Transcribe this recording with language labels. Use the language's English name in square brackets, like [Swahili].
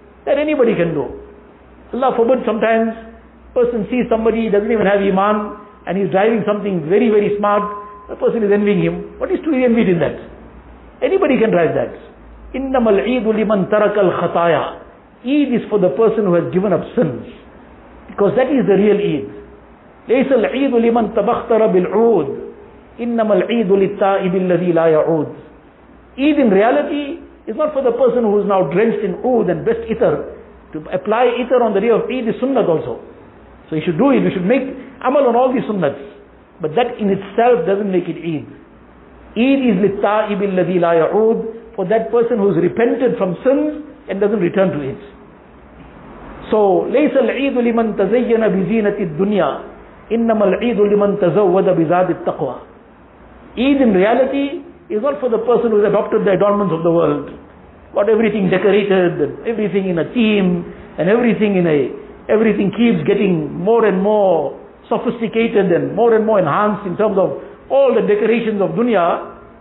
[English] That anybody can do. Allah forbid, sometimes person sees somebody, he doesn't even have iman, and he's driving something very, very smart. The person is envying him. What is to be envied in that? Anybody can drive that. [Arabic] إِنَّمَ الْعِيدُ لِمَنْ تَرَكَ الْخَطَايَا. [English] Eid is for the person who has given up sins. Because that is the real Eid. [Arabic] ليس العيد لمن تبختر بالعود إنما العيد للتائب الذي لا يعود. [English] Eid in reality is not for the person who is now drenched in oud and best itar. To apply itar on the day of Eid is sunnah also. So you should do it, you should make amal on all these sunnahs. But that in itself doesn't make it Eid. Eid is [Arabic] للتائب الذي لا يعود, [English] for that person who is repented from sins and doesn't return to it. [Arabic] So ليس العيد لمن تزين بزينة الدنيا إنما العيد لمن تزود بزاد التقوى. [English] Eid in reality is not for the person who has adopted the adornments of the world, got everything decorated and everything in a theme and everything keeps getting more and more sophisticated and more enhanced in terms of all the decorations of dunya.